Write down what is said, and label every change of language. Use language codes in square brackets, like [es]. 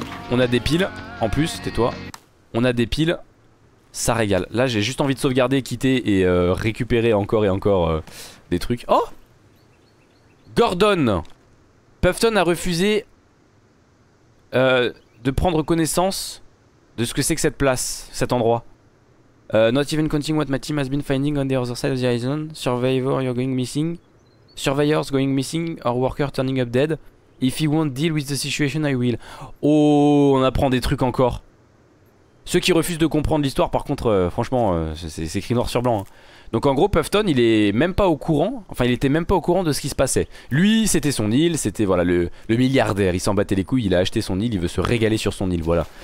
[fr] On a des piles. En plus, tais-toi. On a des piles. Ça régale. Là, j'ai juste envie de sauvegarder, quitter et récupérer encore et encore des trucs. Oh ! Gordon ! Puffton a refusé de prendre connaissance de ce que c'est que cette place, cet endroit. [en] Not even counting what my team has been finding on the other side of the island. Survivor, you're going missing. Survivors going missing or worker turning up dead. If you won't deal with the situation, I will. [fr] Oh, on apprend des trucs encore. Ceux qui refusent de comprendre l'histoire, par contre, franchement, c'est écrit noir sur blanc. Hein. Donc en gros, Puffton, il est même pas au courant. Enfin, il était même pas au courant de ce qui se passait. Lui, c'était son île, c'était voilà le milliardaire. Il s'en battait les couilles, il a acheté son île, il veut se régaler sur son île, voilà.